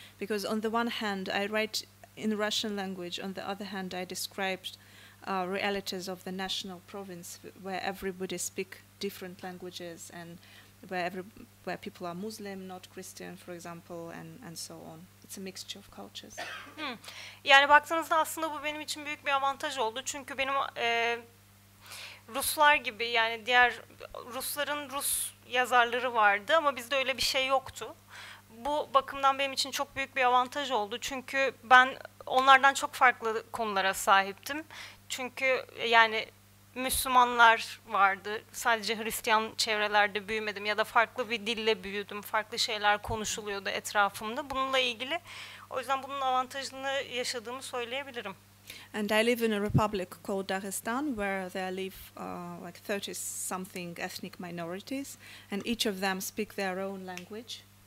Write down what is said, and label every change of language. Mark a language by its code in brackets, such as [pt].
[en] Because on the one hand, I write in Russian language; on the other hand, I described realities of the national province where everybody speak different languages and where people are Muslim, not Christian, for example, and so on. It's a mixture of cultures. [tr] Yani baktığınızda aslında bu benim için büyük bir avantaj oldu. Çünkü benim Ruslar gibi, yani diğer Rusların Rus yazarları vardı ama bizde öyle bir şey yoktu. Bu bakımdan benim için çok büyük bir avantaj oldu. Çünkü ben onlardan çok farklı konulara sahiptim. Çünkü yani Müslümanlar vardı. Sadece Hristiyan çevrelerde büyümedim ya da farklı bir dille büyüdüm. Farklı şeyler konuşuluyordu etrafımda. Bununla ilgili, o yüzden bunun avantajını yaşadığımı söyleyebilirim. [en] And I live in a republic called Dagestan where there live 30 something ethnic minorities and each of them speak their own language.